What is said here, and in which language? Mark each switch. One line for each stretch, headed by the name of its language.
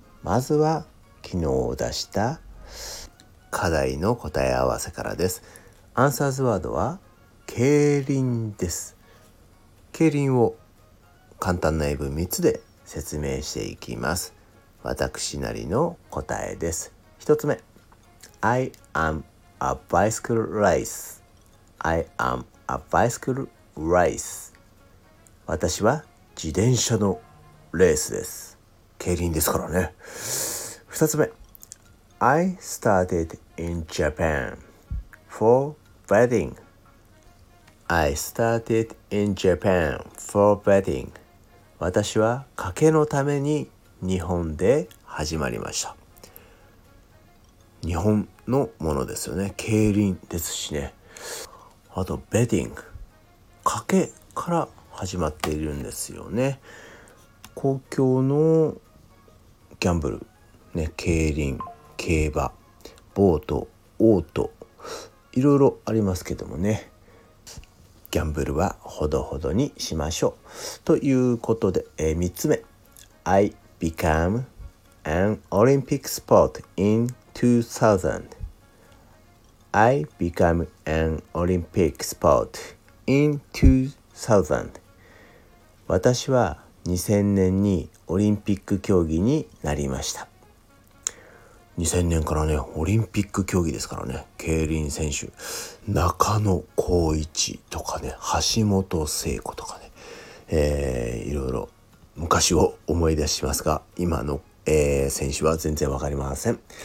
Japanese: まずは昨日出した課題の答え合わせからです。アンサーズワードは競輪です。競輪を簡単な英文3つで説明していきます。私なりの答えです。 1つ目、
English: I am a bicycle race. I am a bicycle race.
Japanese: 私は自転車のレースです。競輪ですからね。 2つ目、
English: I started in Japan for wedding. I started in Japan for wedding.
Japanese: 私は賭けのために日本で始まりました。日本のものですよね。競輪ですしね。あとベディング、賭けから始まっているんですよね。公共のギャンブルね、競輪、競馬、ボート、オート、いろいろありますけどもね。ギャンブルはほどほどにしましょう。ということで、3つ目、
English: I became an Olympic sport in 2000. I became an Olympic sport in 2000.
Japanese: 私は2000年にオリンピック競技になりました。 2000年からね、オリンピック競技ですからね。競輪選手、中野浩一とかね、橋本聖子とかね、いろいろ昔を思い出しますが、今の、選手は全然わかりません。